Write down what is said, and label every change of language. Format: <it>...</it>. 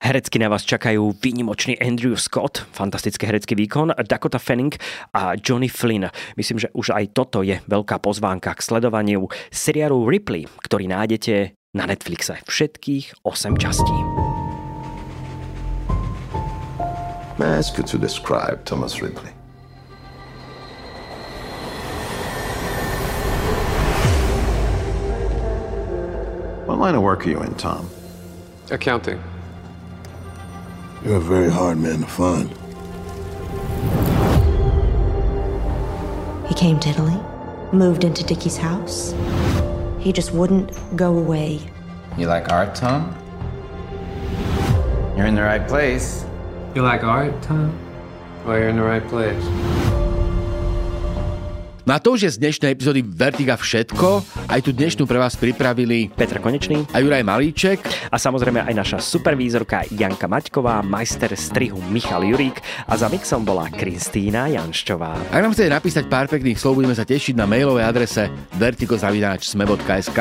<sk>Herecky na vás čakajú výnimočný Andrew Scott, fantastický herecký výkon, Dakota Fanning a Johnny Flynn. Myslím, že už aj toto je veľká pozvánka k sledovaniu seriálu Ripley, ktorý nájdete na Netflixe všetkých 8 častí.</sk> <en>May I ask you to describe Thomas Ripley? What line of work are you in, Tom? Accounting. You're a very hard man to find. He came to Italy, moved into Dickie's house. He just wouldn't go away. You like art, Tom? You're in the right place. You like art, Tom? Well, you're in the right place.</en> <sk>No a to už je z dnešnej epizódy Vertiga všetko. Aj tu dnešnú pre vás pripravili Petr Konečný a Juraj Malíček. A samozrejme aj naša supervízorka Janka Maťková, majster strihu Michal Jurík a za mixom bola Kristýna Janščová. Ak nám chcete napísať pár pekných slov, budeme sa tešiť na mailovej adrese vertigo@sme.sk.</sk>